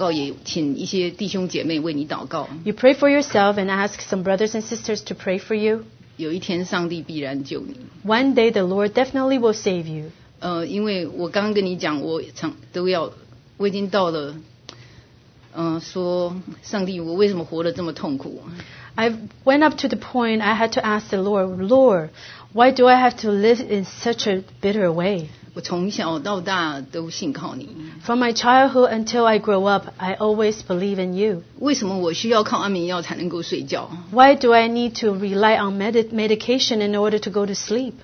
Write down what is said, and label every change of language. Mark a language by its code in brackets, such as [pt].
[zh] 你为你自己祷告，也请一些弟兄姐妹为你祷告。 [en] You pray for yourself and ask some brothers and sisters to pray for you. [zh] 有一天上帝必然救你。 [en] One day the Lord definitely will save you. [zh] 因为我刚跟你讲，我已经到了，说上帝，我为什么活得这么痛苦？ [en] I went up to the point I had to ask the Lord, Lord, why do I have to live in such a bitter way? [zh] 我从小到大都信靠你。 [en] From my childhood until I grew up, I always believe in you. [zh] 为什么我需要靠安眠药才能够睡觉？ [en] Why do I need to rely on medication in order to go to sleep?